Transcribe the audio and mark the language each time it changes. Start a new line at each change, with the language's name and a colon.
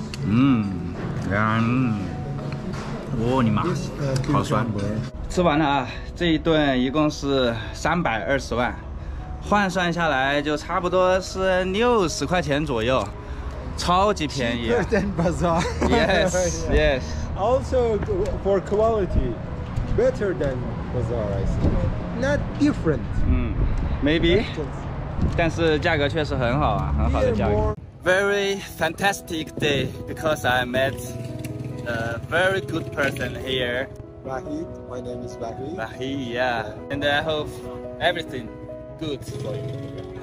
Chinese: 嗯，嗯，哦，你妈，好酸！吃完了啊，这一顿一共是320万，换算下来就差不多是60块钱左右，超级便宜。
English: Cheaper than bazaar. Yes, yes. Also for quality, better than bazaar, I think. Not different. 嗯，maybe.
Chinese: 但是价格确实很好啊，很好的价格。
English: Very fantastic day because I met a very good person here. Vahid, my name is Vahid. Vahid, yeah. And I hope everything good for you.